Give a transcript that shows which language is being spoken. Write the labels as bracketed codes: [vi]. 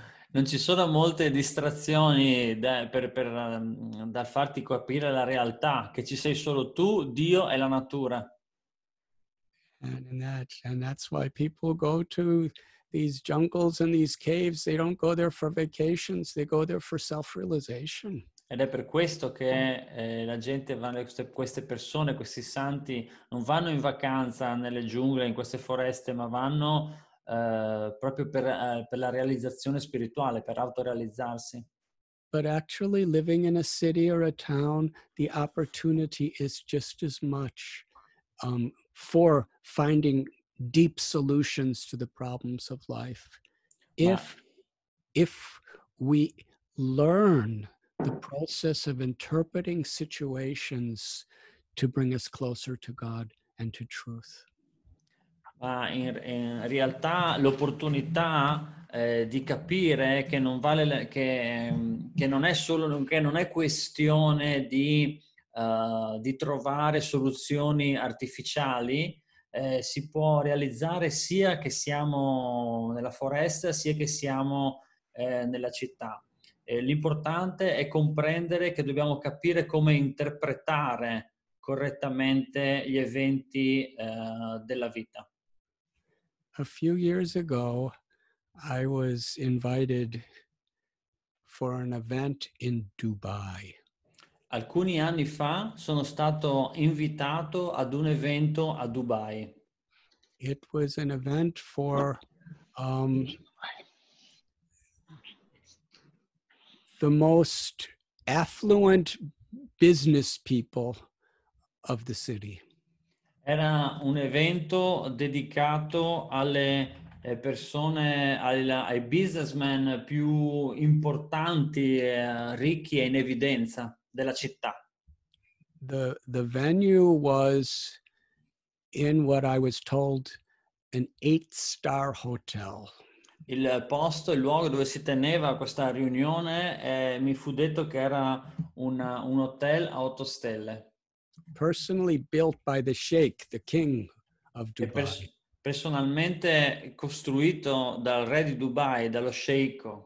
[it] Non ci sono molte distrazioni dal farti capire la realtà, che ci sei solo tu, Dio e la natura. [en] And that's why people go to these jungles and these caves. They don't go there for vacations, they go there for self-realization. [it] Ed è per questo che la gente va, queste persone, questi santi, non vanno in vacanza nelle giungle, in queste foreste, ma vanno proprio per la realizzazione spirituale, per autorealizzarsi. [en] But actually living in a city or a town, the opportunity is just as much for finding deep solutions to the problems of life. If we learn the process of interpreting situations to bring us closer to God and to truth. [it] Ma in realtà l'opportunità di capire che non vale che non è solo che non è questione di trovare soluzioni artificiali, si può realizzare sia che siamo nella foresta sia che siamo nella città. L'importante è comprendere che dobbiamo capire come interpretare correttamente gli eventi della vita. [en] A few years ago, I was invited for an event in Dubai. [it] Alcuni anni fa sono stato invitato ad un evento a Dubai. [en] It was an event for the most affluent business people of the city. [it] Era un evento dedicato alle persone, ai businessmen più importanti, ricchi e in evidenza della città. [en] The venue was in what I was told an 8-star hotel. [it] Il posto, il luogo dove si teneva questa riunione, mi fu detto che era un hotel a 8 stelle. [en] Personally built by the Sheikh, the king of Dubai. [it] Personalmente costruito dal re di Dubai, dallo Sheikh.